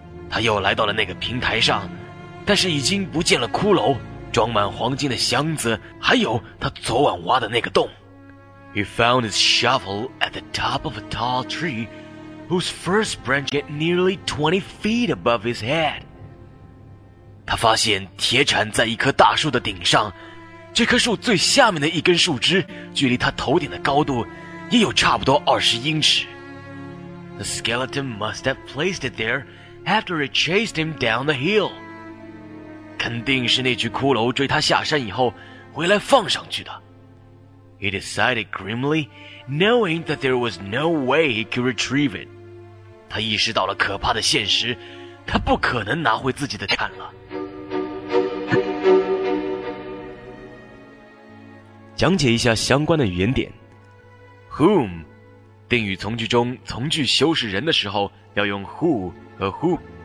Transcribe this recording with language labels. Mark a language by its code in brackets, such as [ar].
[zh] 他又来到了那个平台上，但是已经不见了骷髅。装满黄金的箱子，还有他昨晚挖的那个洞。 [en] He found his shovel at the top of a tall tree, whose first branch get nearly 20 feet above his head. [zh] 他发现铁铲在一棵大树的顶上，这棵树最下面的一根树枝，距离他头顶的高度也有差不多20英尺。 [en] The skeleton must have placed it there after it chased him down the hill. [zh] 肯定是那具骷髅追他下山以后回来放上去的。 [en] He decided grimly, knowing that there was no way he could retrieve it. [zh] 他意识到了可怕的现实，他不可能拿回自己的铲了。讲解一下相关的语言点。Whom, 定语从句中从句修饰人的时候要用 who 和 who。